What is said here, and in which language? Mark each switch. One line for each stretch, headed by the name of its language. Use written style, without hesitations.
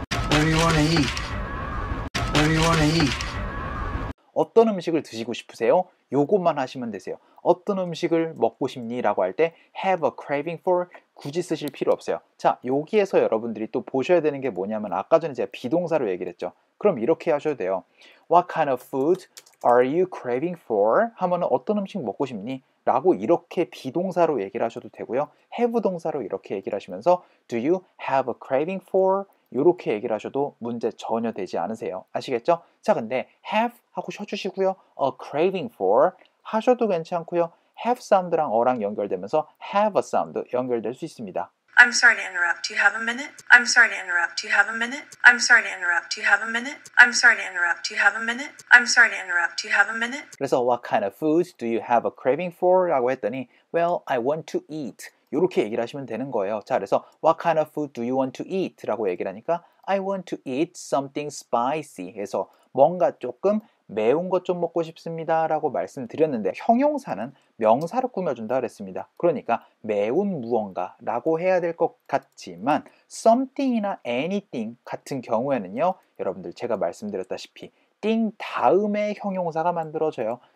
English: What do you want to eat? What do you want to eat?
Korean: 어떤 음식을 드시고 싶으세요? 요것만 하시면 되세요. 어떤 음식을 먹고 싶니? 라고 할 때 have a craving for 굳이 쓰실 필요 없어요. 자, 여기에서 여러분들이 또 보셔야 되는 게 뭐냐면 아까 전에 제가 비동사로 얘기를 했죠. 그럼 이렇게 하셔도 돼요.
English: What kind of food are you craving for?
Korean: 하면 어떤 음식 먹고 싶니? 라고 이렇게 비동사로 얘기를 하셔도 되고요. have 동사로 이렇게 얘기를 하시면서 do you have a craving for? 이렇게 얘기를 하셔도 문제 전혀 되지 않으세요. 아시겠죠? 자, 근데 have 하고 쳐주시고요. a craving for 하셔도 괜찮고요. have 사운드랑 어랑 연결되면서 have a 사운드 연결될 수 있습니다.
English: I'm sorry to interrupt. Do you have a minute? I'm sorry to interrupt. Do you have a minute? I'm sorry to interrupt. Do you have a minute? I'm sorry to interrupt. Do you have a minute? I'm sorry to interrupt. Do you have a minute? 그래서 what kind of foods do you have a craving for? 라고 했더니 well, I want to eat.
Korean: 이렇게 얘기를 하시면 되는 거예요.
English: 자, 그래서 what kind of food do you want to eat? 라고 얘기를 하니까 I want to eat something spicy.
Korean: 해서 뭔가 조금 매운 것 좀 먹고 싶습니다 라고 말씀드렸는데 형용사는 명사를 꾸며준다 그랬습니다. 그러니까 매운 무언가 라고 해야 될 것 같지만 something이나 anything 같은 경우에는요 여러분들 제가 말씀드렸다시피 thing 다음에 형용사가 만들어져요.